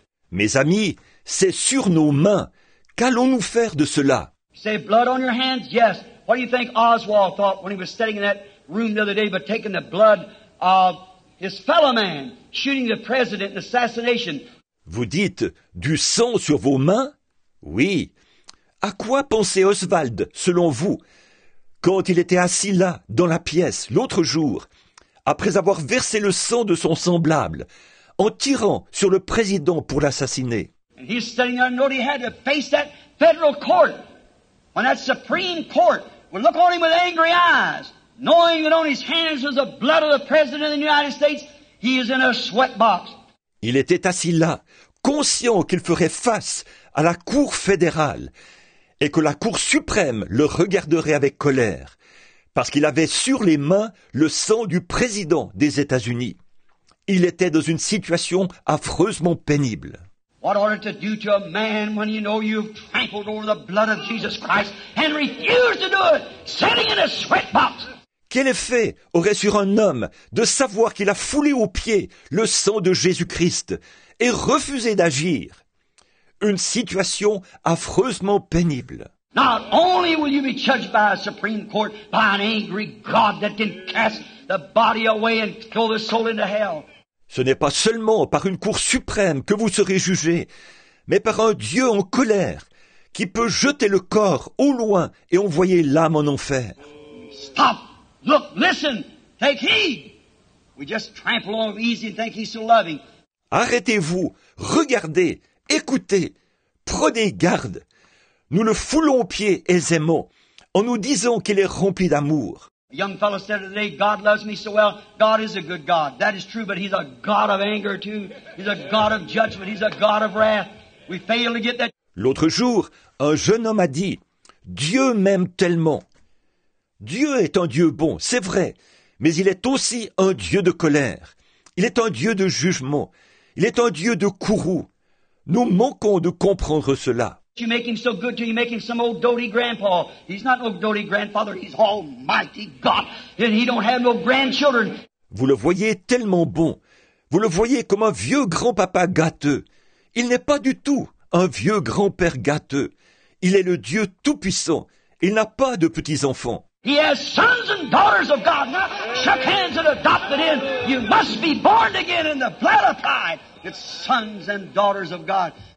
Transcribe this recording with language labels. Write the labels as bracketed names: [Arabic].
[French] Mes amis, c'est sur nos mains. Qu'allons-nous faire de cela? [English] Say blood on your hands? Yes. What do you think Oswald thought when he was sitting in that room the other day but taking the blood of his fellow man, shooting the president in assassination? [French] Vous dites du sang sur vos mains? Oui. À quoi pensait Oswald, selon vous, quand il était assis là, dans la pièce, l'autre jour, après avoir versé le sang de son semblable, en tirant sur le président pour l'assassiner? [English] And he's sitting there, and he had to face that federal court, when that Supreme Court would look on him with angry eyes, knowing that on his hands was the blood of the President of the United States. He is in a sweat box. [French] Il était assis là, conscient qu'il ferait face à la Cour fédérale et que la Cour suprême le regarderait avec colère, parce qu'il avait sur les mains le sang du président des États-Unis. Il était dans une situation affreusement pénible. [English] What ought it to do to a man when you know you've trampled over the blood of Jesus Christ and refused to do it, sitting in a sweat box? [French] Quel effet aurait sur un homme de savoir qu'il a foulé aux pieds le sang de Jésus-Christ et refusé d'agir? Une situation affreusement pénible. [English] Not only will you be judged by a Supreme Court, by an angry God that can cast the body away and throw the soul into hell. [French] Ce n'est pas seulement par une cour suprême que vous serez jugé, mais par un Dieu en colère qui peut jeter le corps au loin et envoyer l'âme en enfer. [English] Stop! Look, listen, take heed. We just trample on him easy and think he's so loving. [French] Arrêtez-vous, regardez, écoutez, prenez garde. Nous le foulons aux pieds aisément en nous disant qu'il est rempli d'amour. [English] A young fellow said today, God loves me so well. God is a good God. That is true, but he's a God of anger too. He's a God of judgment. He's a God of wrath. We fail to get that. [French] L'autre jour, un jeune homme a dit, Dieu m'aime tellement. Dieu est un Dieu bon, c'est vrai, mais il est aussi un Dieu de colère. Il est un Dieu de jugement. Il est un Dieu de courroux. Nous manquons de comprendre cela. [English] You make him so good to you make him some old doty grandpa. He's not old doty grandfather, he's almighty God. And he don't have no grandchildren. [French] Vous le voyez tellement bon. Vous le voyez comme un vieux grand-papa gâteux. Il n'est pas du tout un vieux grand-père gâteux. Il est le Dieu tout-puissant. Il n'a pas de petits-enfants. [English] He has sons and daughters of God. Now, shook hands and adopted him. You must be born again in the blood of Christ. It's sons and daughters of God.